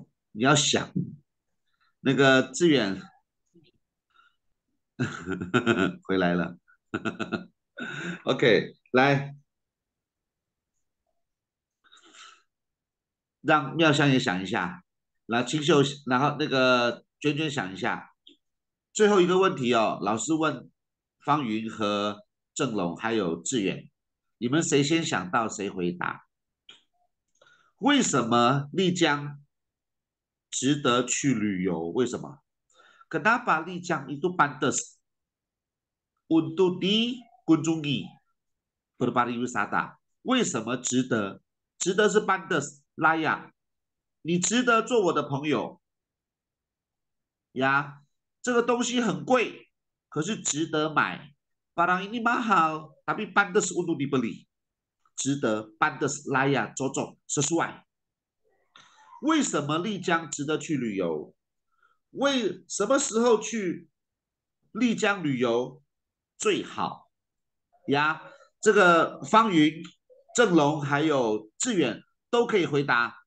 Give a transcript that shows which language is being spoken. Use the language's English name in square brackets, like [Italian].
[Chinese] 你要想那个志远 回来了 OK，来，让妙香也想一下，然后清秀，然后那个娟娟想一下，最后一个问题哦，老师问方云和郑龙还有志远，你们谁先想到谁回答？为什么丽江值得去旅游？为什么？ [Indonesian] Kenapa 丽江 itu pantas untuk dikunjungi？ Berpariwisata, [Chinese] 为什么值得？值得是 [Indonesian] pantas layak, [Chinese] 你值得做我的朋友呀，这个东西很贵，可是值得买。 [Indonesian] Barang ini mahal, tapi pantas untuk dibeli. [Chinese] 值得 [Indonesian] pantas layak cocok sesuai。 [Chinese] 为什么丽江值得去旅游？为什么时候去丽江旅游最好呀？这个方云、郑龙还有志远都可以回答。